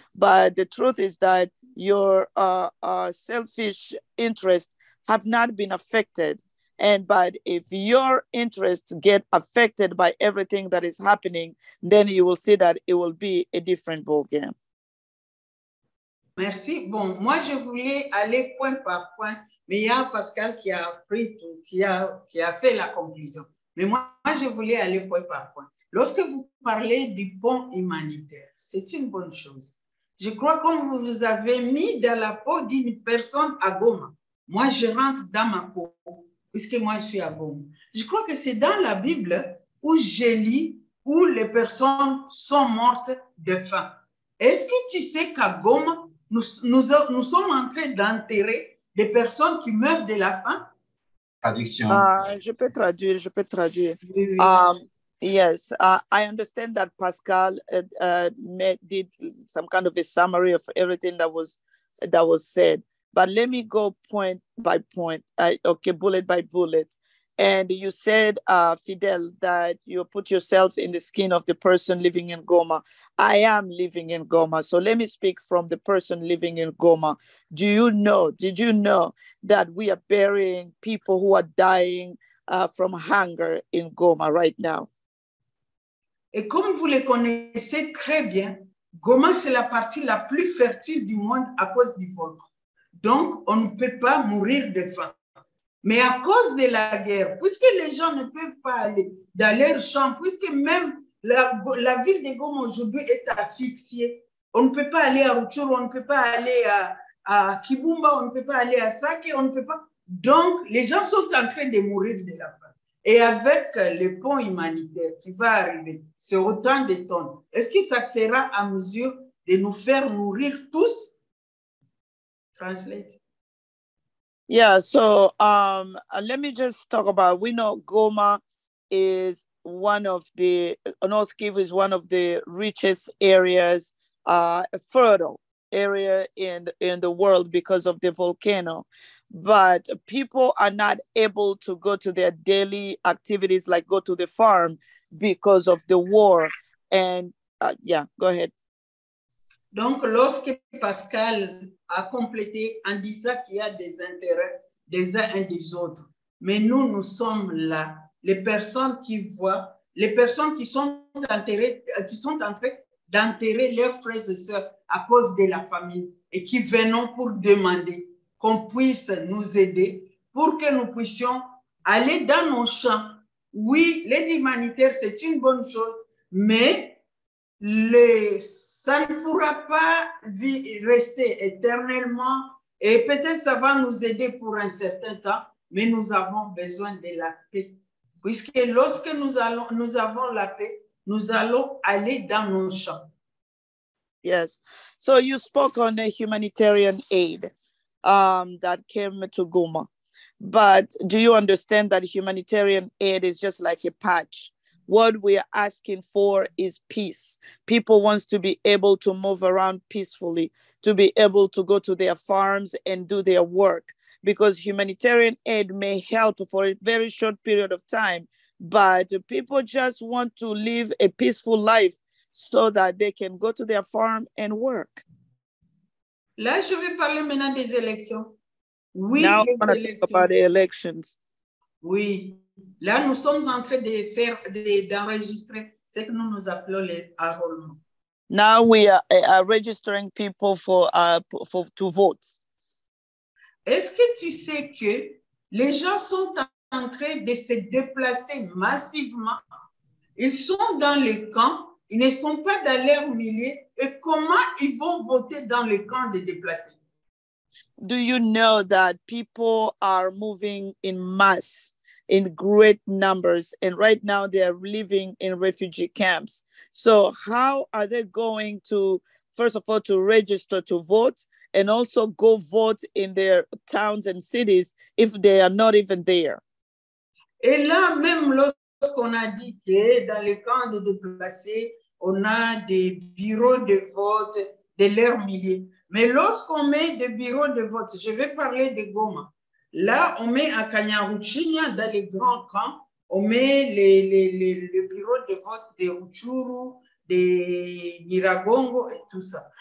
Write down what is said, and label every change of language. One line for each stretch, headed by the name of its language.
English: But the truth is that your selfish interests have not been affected. And but if your interests get affected by everything that is happening, then you will see that it will be a different ballgame.
French: Merci. Bon, moi, je voulais aller point par point, mais il y a Pascal qui a pris tout, qui a fait la conclusion. Mais moi, je voulais aller point par point. Lorsque vous parlez du pont humanitaire, c'est une bonne chose. Je crois qu'on vous avez mis dans la peau d'une personne à Goma. Moi, je rentre dans ma peau, puisque moi, je suis à Goma. Je crois que c'est dans la Bible où je lis où les personnes sont mortes de faim. Est-ce que tu sais qu'à Goma, nous sommes en train d'enterrer des personnes qui meurent de la faim? Addiction. Je peux traduire.
English: Yes, I understand that Pascal did some kind of a summary of everything that was said. But let me go point by point, bullet by bullet. And you said, Fidel, that you put yourself in the skin of the person living in Goma. I am living in Goma. So let me speak from the person living in Goma. Did you know that we are burying people who are dying from hunger in Goma right now?
French: Et comme vous le connaissez très bien, Goma, c'est la partie la plus fertile du monde à cause du volcan. Donc, on ne peut pas mourir de faim. Mais à cause de la guerre, puisque les gens ne peuvent pas aller dans leurs champs, puisque même la ville de Goma aujourd'hui est asphyxiée, on ne peut pas aller à Rutshuru, on ne peut pas aller à Kibumba, on ne peut pas aller à Sake, on ne peut pas. Donc, les gens sont en train de mourir de la faim. Et avec le pont humanitaire qui va arriver, c'est autant de tonnes. Est-ce que ça sera en mesure de nous faire mourir tous?
English: Translate. Yeah, so let me just talk about, we know Goma is one of the, North Kivu is one of the richest areas, fertile area in the world because of the volcano. But people are not able to go to their daily activities, like go to the farm because of the war. And go ahead.
French: Donc, lorsque Pascal a complété en disant qu'il y a des intérêts des uns et des autres, mais nous, nous sommes là, les personnes qui voient, les personnes qui sont en train d'enterrer leurs frères et sœurs à cause de la famine et qui venons pour demander qu'on puisse nous aider pour que nous puissions aller dans nos champs. Oui, l'aide humanitaire, c'est une bonne chose, mais les... Ça ne pourra pas rester éternellement et peut-être ça va nous aider pour un certain temps, mais nous avons besoin de la paix. Puisque lorsque nous avons la paix, nous allons aller dans nos champs.
English: Yes. So you spoke on the humanitarian aid that came to Goma. But do you understand that humanitarian aid is just like a patch? What we are asking for is peace. People want to be able to move around peacefully, to be able to go to their farms and do their work, because humanitarian aid may help for a very short period of time, but people just want to live a peaceful life so that they can go to their farm and work.
French: Là, je vais parler maintenant des élections.
English: Oui, now I'm gonna talk about the elections.
French: Oui. Là, nous sommes en train de faire, d'enregistrer ce que nous appelons les enrôlements.
English: Now we are registering people for to vote.
French: Est-ce que tu sais que les gens sont en train de se déplacer massivement? Ils sont dans les camps, ils ne sont pas dans leurs milliers. Et comment ils vont voter dans les camps de déplacés?
English: Do you know that people are moving in mass? In great numbers, and right now they are living in refugee camps. So how are they going to, first of all, to register to vote and also go vote in their towns and cities if they are not even there?
French: Et là, même lorsqu'on a dit que dans les camps de déplacés, on a des bureaux de vote de leurs milliers. Mais lorsqu'on met des bureaux de vote, je vais parler de Goma. Là, on met à Kanyaruchinya dans les grands camps, on met le bureau de vote de Uchuru, de Nyiragongo et tout ça.